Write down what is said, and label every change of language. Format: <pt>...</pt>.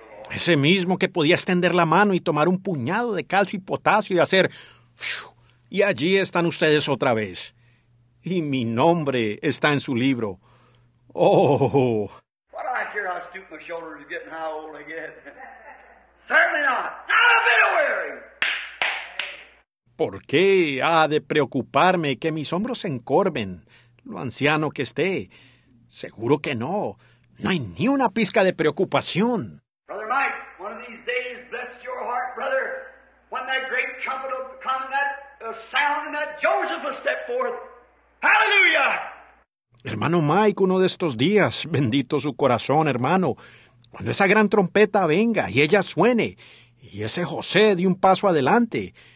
<es>Ese mismo que podía extender la mano y tomar un puñado de calcio y potasio y hacer ¡fiu! Y allí están ustedes otra vez. Y mi nombre está en su libro. Oh.</es> <en>What do I care how stupid my shoulders are getting, how old I get? Certainly not. Not a bit of weary.</en> <es>¿Por qué ha de preocuparme que mis hombros se encorven, lo anciano que esté? Seguro que no. No hay ni una pizca de preocupación.</es> <en>Brother Mike, one of these days, bless your heart, brother, when that great trumpet will come, that sound, and that Joseph will step forth. Hallelujah!</en> <es>Hermano Mike, uno de estos días, bendito su corazón, hermano, cuando esa gran trompeta venga y ella suene, y ese José dé un paso adelante.</es>